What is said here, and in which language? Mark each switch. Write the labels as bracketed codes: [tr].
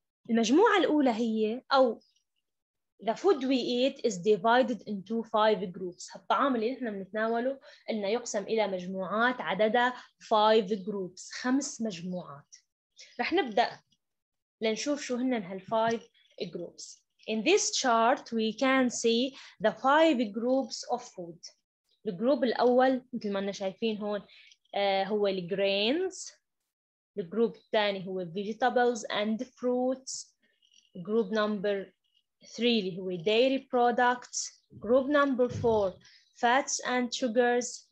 [ar] المجموعة الأولى هي أو [en] the food we eat is divided into five groups. [ar] هالطعام اللي نحن بنتناوله قلنا يقسم إلى مجموعات عددها [en] five groups، [ar] خمس مجموعات. رح نبدأ لنشوف شو هن هالفايف groups. [en] In this chart we can see the five groups of food. [ar] الجروب الأول مثل ما احنا شايفين هون هو الجرينز. الجروب الثاني هو [en] vegetables and fruits. Group number three [ar] اللي هو [en] dairy products. Group number four fats and sugars.